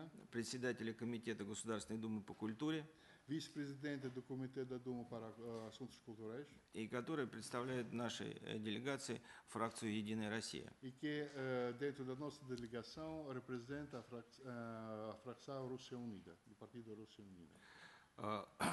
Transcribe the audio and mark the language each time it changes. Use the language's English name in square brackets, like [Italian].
[Russian] председателя комитета Государственной Думы по культуре, [Portuguese] vice-presidente do Comitê da Duma para Assuntos Culturais, e que [Russian] представляет нашей делегации фракцию Единая Россия. [Portuguese] E que dentro da nossa delegação representa a fração Rússia Unida, do Partido Rússia Unida.